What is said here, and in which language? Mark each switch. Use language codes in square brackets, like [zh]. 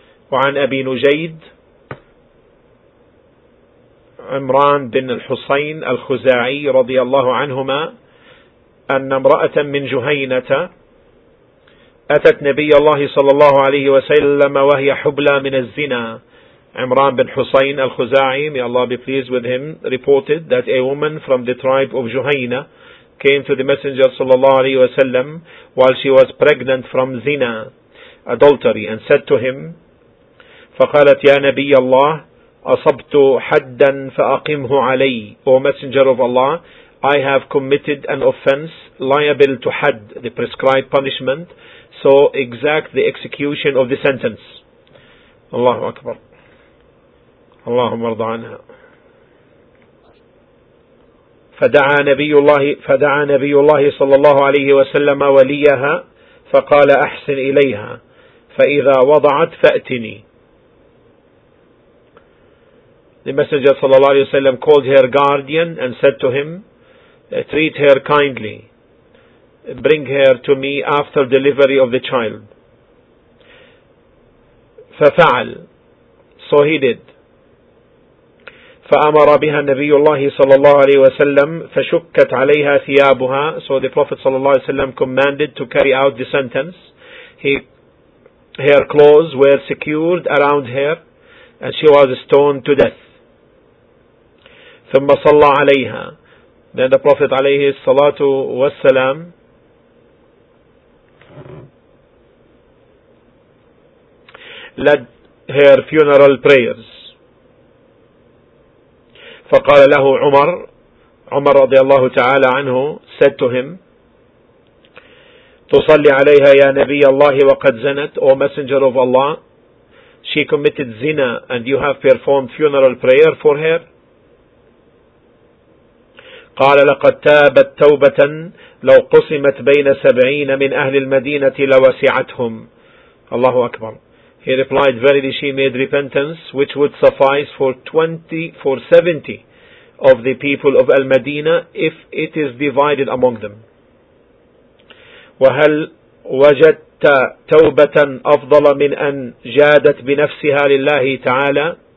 [ar] وعن أبي نجيد عمران بن الحسين الخزاعي رضي الله عنهما أن امرأة من جهينة أتت نبي الله صلى الله عليه وسلم وهي حبلى من الزنا. [en] Imran bin Hussein al-Khuzai, may Allah be pleased with him, reported that a woman from the tribe of Juhayna came to the Messenger sallallahu alayhi wa sallam while she was pregnant from zina, adultery, and said to him, [ar] فَقَالَتْ يَا نَبِيَ اللَّهِ أَصَبْتُ حَدًّا فَأَقِمْهُ عَلَيْهِ. [en] O Messenger of Allah, I have committed an offense liable to had, the prescribed punishment, so exact the execution of the sentence. [ar] Allahu Akbar. اللهم ارض عنها. فدعا نبي الله صلى الله عليه وسلم وليها فقال أحسن إليها فإذا وضعت فأتني. [en] The messenger صلى الله عليه وسلم called her guardian and said to him, treat her kindly, bring her to me after delivery of the child. [ar] ففعل. [en] So he did. [ar] فأمر بها النبي الله صلى الله عليه وسلم فشكت عليها ثيابها. [en] So the Prophet صلى الله عليه وسلم commanded to carry out the sentence. Her clothes were secured around her and she was stoned to death. [ar] ثم صلى عليها. [en] Then the Prophet عليه الصلاة والسلام led her funeral prayers. [ar] فقال له عمر, عمر رضي الله تعالى عنه, [en] said to him, [ar] تصلي عليها يا نبي الله وقد زنت. [en] O Messenger of Allah, she committed zina and you have performed funeral prayer for her. [ar] قال لقد تابت توبة لو قسمت بين 70 من أهل المدينة لوسعتهم. الله أكبر. [en] He replied, verily she made repentance which would suffice for 70 of the people of Al-Madinah if it is divided among them. [ar] وَهَلْ وَجَدْتَ تَوْبَةً أَفْضَلَ مِنْ أَنْ جَادَتْ بِنَفْسِهَا لِلَّهِ تَعَالَى.